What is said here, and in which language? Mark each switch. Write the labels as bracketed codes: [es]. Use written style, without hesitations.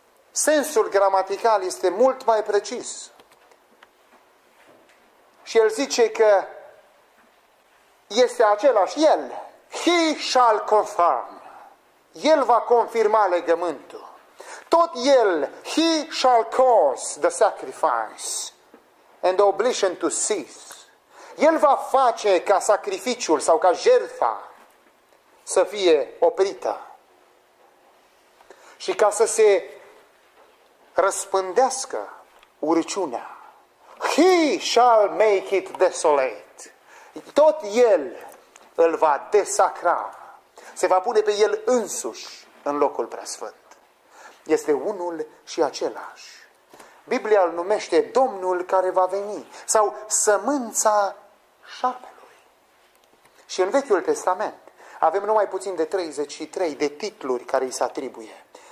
[ro] Sensul gramatical este mult mai precis. Și el zice că este același el. [en] He shall confirm. [ro] El va confirma legământul. Tot el, [en] he shall cause the sacrifice and the oblation to cease. [ro] El va face ca sacrificiul sau ca jertfa să fie oprită. Și ca să se răspândească urciunea. [en] He shall make it desolate. [ro] Tot el îl va desacra. Se va pune pe el însuși în locul preasfânt. Este unul și același. Biblia îl numește Domnul care va veni. Sau sămânța șarpelui. Și în Vechiul Testament avem numai puțin de 33 de titluri care îi se atribuie.